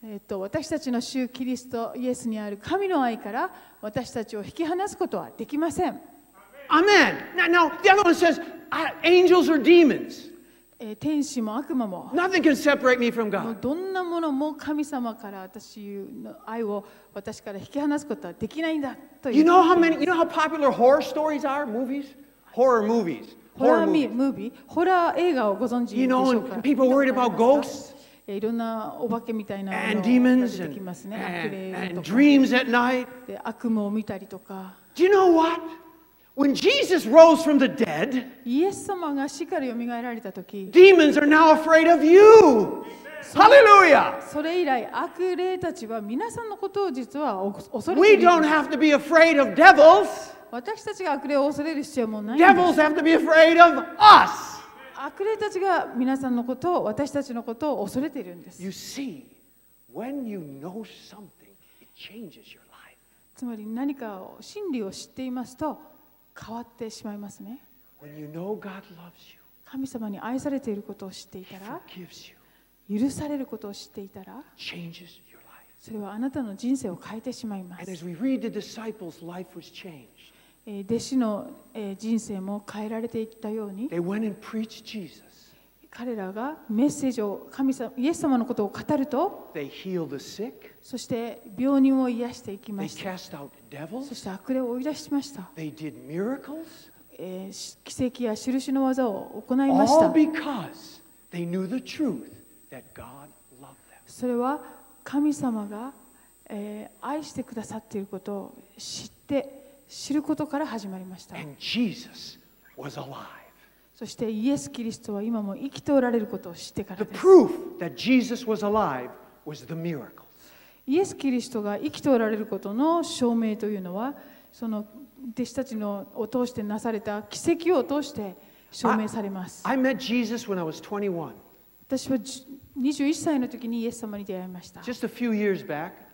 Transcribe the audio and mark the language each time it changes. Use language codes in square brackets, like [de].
[ja] 私たちの主キリストイエスにある神の愛から私たちを引き離すことはできません。 [en] Amen. Now the other one says, angels or demons. [ja] 天使も悪魔も。 [en] Nothing can separate me from God. [ja] どんなものも神様から私の愛を私から引き離すことはできないんだ。 [en] You know how many? You know how popular horror stories are? Movies, horror movies, horror movie. Horror movie. You know, and people worried about ghosts. [ja] いろんなお化けみたいなものが出てきますね。悪霊とか。 [en] And dreams at night. [ja] で、悪夢を見たりとか。 [en] Do you know what? When Jesus rose from the dead, [ja] イエス様が死から蘇られた時、 [en] demons are now afraid of you. Hallelujah! [ja] それ以来悪霊たちは皆さんのことを実は恐れているんです。 [en] We don't have to be afraid of devils. [ja] 私たちが悪霊を恐れる必要もないんです。 [en] Devils have to be afraid of us. [ja] 悪霊たちが皆さんのことを私たちのことを恐れているんです。 [en] You see, when you know something, it changes your life. [ja] つまり何かを真理を知っていますと変わってしまいますね。 [en] When you know God loves you, [ja] 神様に愛されていることを知っていたら。許されることを知っていたら、それはあなたの人生を変えてしまいます。 [en] And as we read the disciples' life was changed. [ja] 弟子の人生も変えられていったように、 [en] They went and preached Jesus. [ja] 彼らがメッセージを神様、イエス様のことを語ると、 [en] They healed the sick. [ja] そして病人を癒していきました。 [en] They cast out devils. [ja] そして悪霊を追い出しました。 [en] They did miracles. [ja] 奇跡や印の技を行いました。 [en] All because they knew the truth that God loved them. [ja] それは神様が、愛してくださっていることを知って知ることから始まりました。 [en] And Jesus was alive. [ja] そしてイエス・キリストは今も生きておられることを知ってからです。 [en] The proof that Jesus was alive was the miracles. [ja] イエス・キリストが生きておられることの証明というのは、その弟子たちのを通してなされた奇跡を通して証明されます。 [en] I met Jesus when I was 21. [ja] 私は21歳の時にイエス様に出会いました。 [en] Just a few years back.